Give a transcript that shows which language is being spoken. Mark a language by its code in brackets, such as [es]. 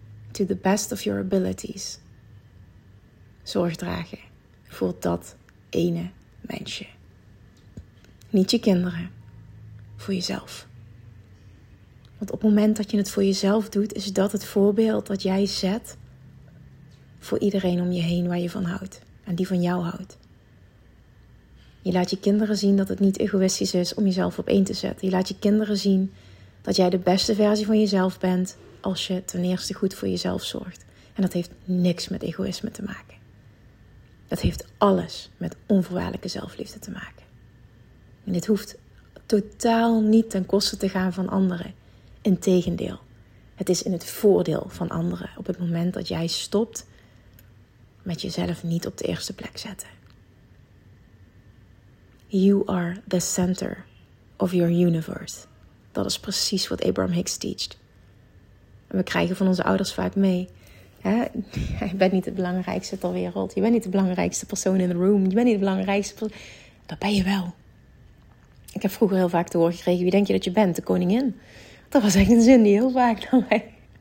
[en] To the best of your abilities. [nl] Zorg dragen voor dat ene mensje. Niet je kinderen, voor jezelf. Want op het moment dat je het voor jezelf doet, is dat het voorbeeld dat jij zet voor iedereen om je heen waar je van houdt en die van jou houdt. Je laat je kinderen zien dat het niet egoïstisch is om jezelf op één te zetten. Je laat je kinderen zien dat jij de beste versie van jezelf bent als je ten eerste goed voor jezelf zorgt. En dat heeft niks met egoïsme te maken. Dat heeft alles met onvoorwaardelijke zelfliefde te maken. En dit hoeft totaal niet ten koste te gaan van anderen. Integendeel, het is in het voordeel van anderen op het moment dat jij stopt met jezelf niet op de eerste plek zetten. [en] You are the center of your universe. [nl] Dat is precies wat Abraham Hicks teacht. En we krijgen van onze ouders vaak mee. Hè? Je bent niet het belangrijkste ter wereld. Je bent niet de belangrijkste persoon [en] in the room. [nl] Je bent niet de belangrijkste persoon. Dat ben je wel. Ik heb vroeger heel vaak te horen gekregen, wie denk je dat je bent? De koningin. Dat was echt een zin die heel vaak naar mij...